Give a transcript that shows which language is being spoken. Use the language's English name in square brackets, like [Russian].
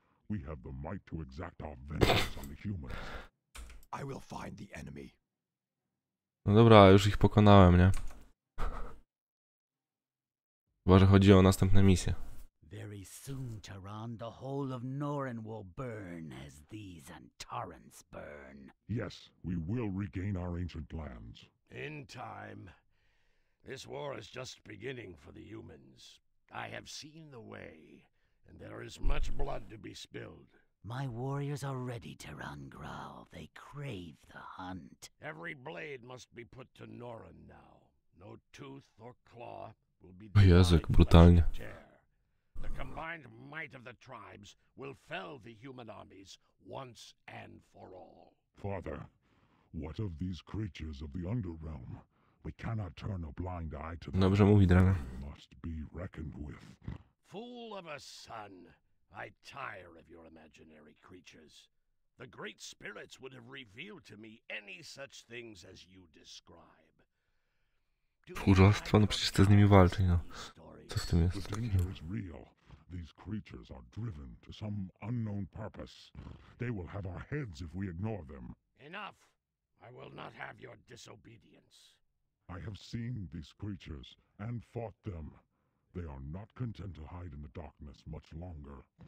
[English] We have the might to exact our vengeance on the humans. I will find the enemy. [Polish] No dobra, już ich pokonałem, nie? Chyba, że chodzi o następne misje. [English] Very soon, Taran, the whole of Norrin will burn as these Antarans burn. Yes, we will regain our ancient lands. In time. This war is just beginning for the humans. I have seen the way. And there is much blood to be spilled. My warriors are ready, Taran Graal. They crave the hunt. Every blade must be put to Norrin now. No tooth or claw will be denied. The combined might of the tribes will fell the human armies once and for all. Father, what of these creatures of the underrealm? We cannot turn a blind eye to them. [Polish] Dobrze mówi, Draga. [English] Must be reckoned with. Fool of a son, I tire of your imaginary creatures. The great spirits would have revealed to me any such things as you describe. [Polish] Wkurzostwo, no przecież chcę z nimi walczyć, no. Co z tym jest? [English] The danger is real. These creatures are driven to some unknown purpose. They will have our heads if we ignore them. Enough. I will not have your disobedience. I have seen these creatures and fought them. They are not content to hide in the darkness much longer.